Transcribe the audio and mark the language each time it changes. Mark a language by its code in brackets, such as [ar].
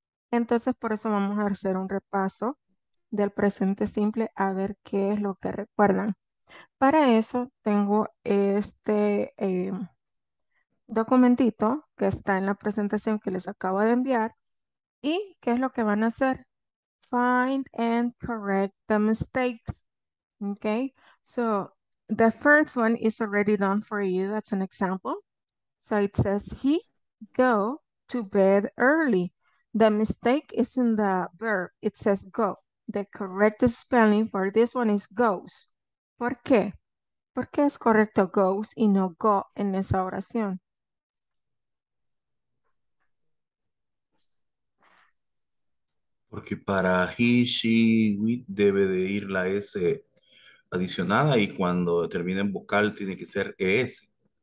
[es] Entonces, por eso vamos a hacer un repaso del presente simple a ver qué es lo que recuerdan. Para eso tengo este documentito que está en la presentación que les acabo de enviar. ¿Y qué es lo que van a hacer? [en] Find and correct the mistakes. Okay, so the first one is already done for you as an example. So it says, he go to bed early. The mistake is in the verb. It says go. The correct spelling for this one is goes. [es] ¿Por qué? ¿Por qué es correcto goes y no go en esa oración? Porque para he, she, we debe de ir la S adicionada y cuando termine en vocal tiene que ser ES.